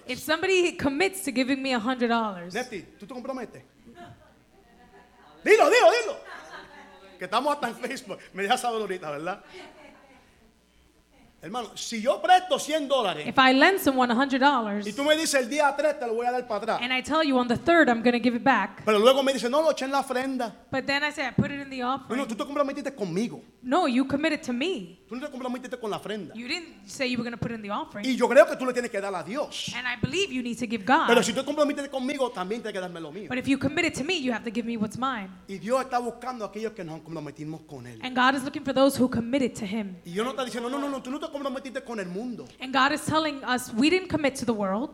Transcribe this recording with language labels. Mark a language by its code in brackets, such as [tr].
[en] If somebody commits to giving me $100. [es] Nefty, ¿tú te comprometes? Dilo. Que estamos hasta en Facebook. Me deja saber ahorita, ¿verdad? Hermano, si yo presto $100, [en] if I lend someone $100, [es] y tú me dices el día 3 te lo voy a dar para atrás, [en] and I tell you on the 3rd I'm going to give it back, [es] pero luego me dice no lo eché en la ofrenda, [en] but then I say I put it in the offering. [es] No, tú te comprometiste conmigo. [en] No, you committed to me. [es] Tú no te comprometiste con la ofrenda. [en] You didn't say you were going to put it in the offering. [es] Y yo creo que tú le tienes que dar a Dios. [en] And I believe you need to give God. [es] Pero si tú te comprometiste conmigo también tienes que darme lo mío. [en] But if you committed to me, you have to give me what's mine. [es] Y Dios está buscando a aquellos que nos comprometimos con él. [en] And God is looking for those who committed to him. [es] Y yo no está diciendo no, tú no te comprometiste con el mundo. [en] And God is telling us we didn't commit to the world.